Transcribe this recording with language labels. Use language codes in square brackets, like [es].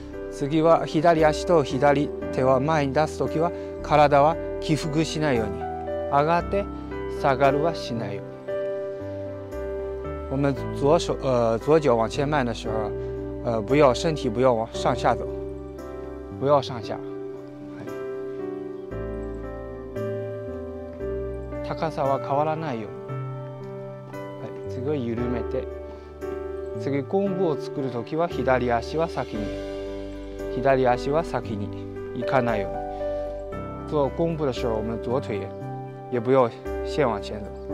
[ja] 次は左足と左手は前に出すときは、体は起伏しないように、上がって下がるはしないように。 [zh] 我们左脚往前迈的时候，不要身体不要往上下走，不要上下。 [ja] 高さは変わらないよ。次は緩めて。次コンボを作るときは左足は先に行かないように。 [zh] 做コンボ的时候，我们左腿也不要先往前走。